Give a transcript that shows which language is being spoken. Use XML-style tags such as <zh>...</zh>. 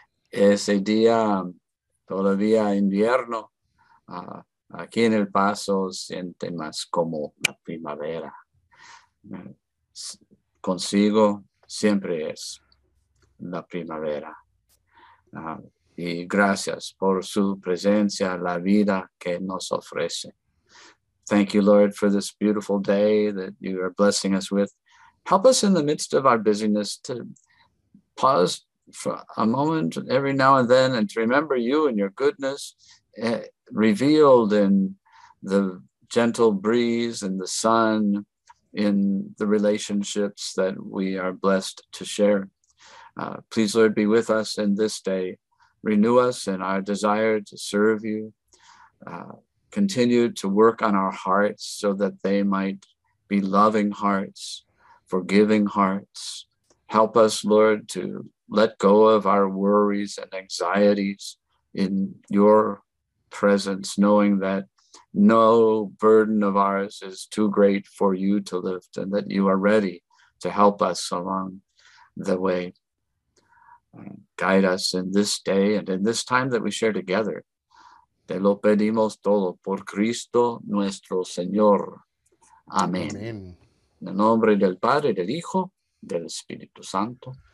<es>Ese día, todavía invierno, aquí en El Paso, siente más como la primavera. Consigo siempre es la primavera. Y gracias por su presencia, la vida que nos ofrece.</es> <en>Thank you, Lord, for this beautiful day that you are blessing us with. Help us in the midst of our busyness to pause for a moment every now and then and to remember you and your goodness revealed in the gentle breeze and the sun, in the relationships that we are blessed to share. Please, Lord, be with us in this day. Renew us in our desire to serve you. Continue to work on our hearts so that they might be loving hearts, forgiving hearts. Help us, Lord, to let go of our worries and anxieties in your presence, knowing that no burden of ours is too great for you to lift and that you are ready to help us along the way. Guide us in this day and in this time that we share together.</en> <es>Te lo pedimos todo por Cristo nuestro Señor. Amén. Amén. En el nombre del Padre, del Hijo, del Espíritu Santo.</es>